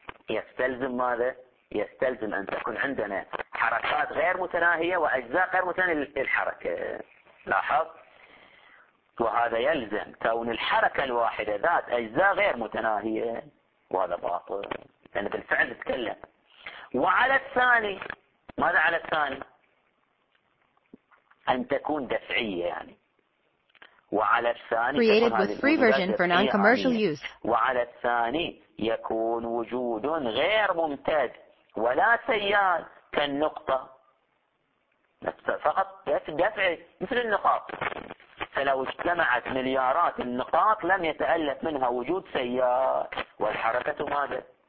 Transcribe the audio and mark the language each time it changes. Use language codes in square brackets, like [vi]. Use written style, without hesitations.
[ar] يستلزم ماذا يستلزم أن تكون عندنا حركات غير متناهية وأجزاء غير متناهية للحركة لاحظ وهذا يلزم كون الحركة الواحدة ذات أجزاء غير متناهية وهذا باطل لأن بالفعل تتكلم وعلى الثاني ماذا على الثاني أن تكون دفعية يعني وعلى الثاني [en] created with free version for non-commercial use [ar] وعلى الثاني يكون وجود غير ممتد ولا سيال كالنقطة فقط دفع مثل النقاط فلو اجتمعت مليارات النقاط لم يتألف منها وجود سيال والحركة ماذا